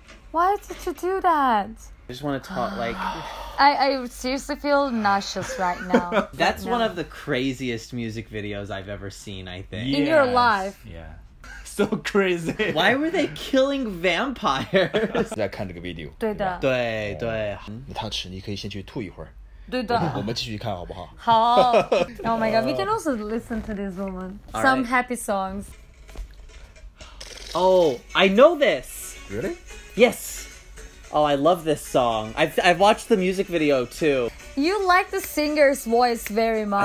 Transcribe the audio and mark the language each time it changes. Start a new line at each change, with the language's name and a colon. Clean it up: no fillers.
English: Why did you do that? I just want to talk like... I seriously feel nauseous right now. That's one of the craziest music videos I've ever seen, I think. Yes. In your life. Yeah. So crazy. Why were they killing vampires?
Chinese: 在看这个video. 对的。对对。你汤吃,你可以先去吐一会儿。对的。我们继续看好不好?
English: 好。Oh my god, we can also listen to this woman. All some right. happy songs. Oh, I know this. Really? Yes. Oh, I love this song. I've watched the music video too. You like the singer's voice very much.